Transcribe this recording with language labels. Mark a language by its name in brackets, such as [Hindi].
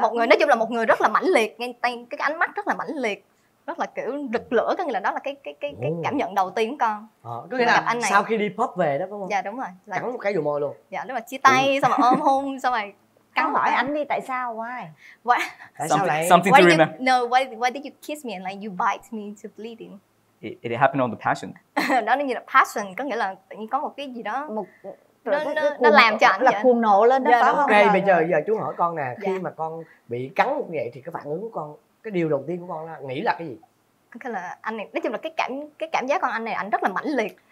[Vietnamese] Một người nói chung là một người rất là mãnh liệt, ngay tay cái ánh mắt rất là mãnh liệt, rất là kiểu rực lửa, có nghĩa là đó là cái cảm nhận đầu tiên của con. Có nghĩa là gặp anh này sau khi đi pop về đó phải không? Dạ đúng rồi. Là cắn một cái vô môi luôn. Dạ đúng rồi, chia tay xong rồi ôm hôn xong rồi cắn hỏi anh đi tại sao, [English] why? Why? Something to remember. No, why did you kiss me and like you bite me to bleeding? It happened on the passion. [Vietnamese] Đó là như là passion, có nghĩa là tự nhiên có một cái gì đó một nó làm cho ảnh là cuồng nộ lên đó. Yeah, ok, bây giờ giờ chú hỏi con nè, khi mà con bị cắn như vậy thì cái phản ứng của con, cái điều đầu tiên của con là nghĩ là cái gì? Cái là anh này, nói chung là cái cảm giác con anh này anh rất là mãnh liệt.